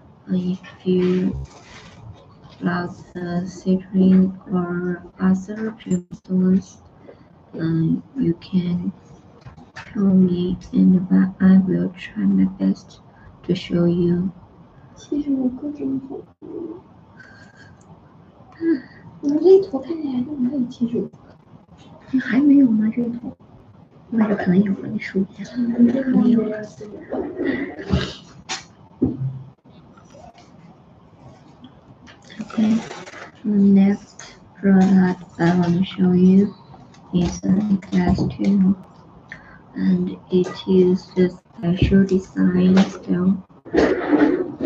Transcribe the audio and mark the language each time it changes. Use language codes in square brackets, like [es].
[en] If you love citrine or other gemstones, you can tell me and I will try my best to show you. Thank you. [zh] 我这一坨看起来就没有记住，你还没有吗？这一坨，那就可能有了。你数一下，可能有了。 [en] Okay, the next product I want to show you is a glass tube, and it is a special design stone.